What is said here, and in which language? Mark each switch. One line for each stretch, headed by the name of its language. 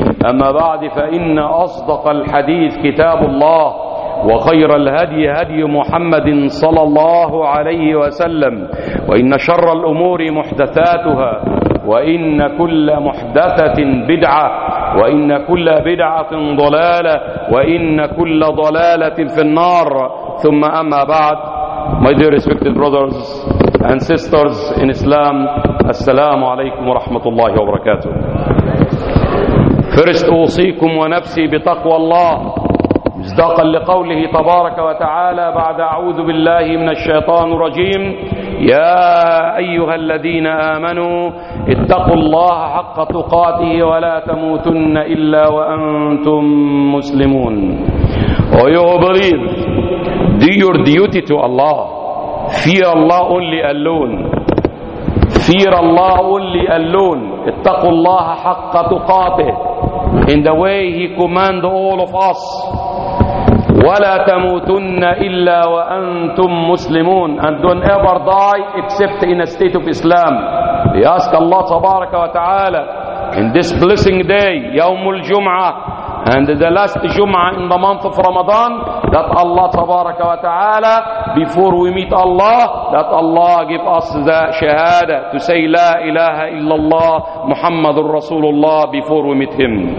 Arabic: أما بعد، فإن أصدق الحديث كتاب الله، وخير الهدي هدي محمد صلى الله عليه وسلم، وإن شر الأمور محدثاتها، وإن كل محدثة بدعة، وإن كل بدعة ضلالة، وإن كل ضلالة في النار. ثم أما بعد،
English: my dear respected brothers and sisters in Islam,
Arabic: السلام عليكم ورحمة الله وبركاته. First, أوصيكم ونفسي بتقوى الله، مصداقا لقوله تبارك وتعالى بعد أعوذ بالله من الشيطان الرجيم: يا أيها الذين آمنوا اتقوا الله حق تقاته ولا تموتن إلا وأنتم مسلمون.
English: Oh, you believe, do your duty to Allah. Fear Allah only alone. Fear Allah only alone.
Arabic: اتقوا الله حق تقاته.
English: In the way He commands all of us.
Arabic: ولا تموتن إلا وأنتم مسلمون.
English: And don't ever die except in a state of Islam. We ask Allah تبارك وتعالى in this blessing day, يوم الجمعة, and the last Jum'ah in the month of Ramadan, that Allah تبارك وتعالى, before we meet Allah, that Allah give us the shahada to say
Arabic: لا إله إلا الله محمد رسول الله
English: before we meet Him.